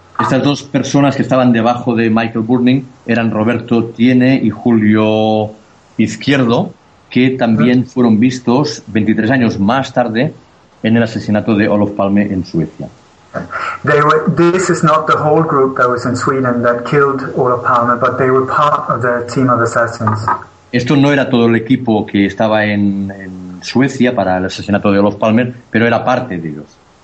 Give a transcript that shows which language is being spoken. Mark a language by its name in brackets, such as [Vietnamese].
[Spanish] Estas dos personas que estaban debajo de Michael Burning eran Roberto Tieme y Julio Izquierdo, que también fueron vistos 23 años más tarde en el asesinato de Olof Palme en Suecia. [English] This is not the whole group that was in Sweden that killed Olof Palme, but they were part of the team of assassins. [Spanish] Esto no era todo el equipo que estaba en Suecia para el asesinato de Olof Palme, pero era parte de ellos.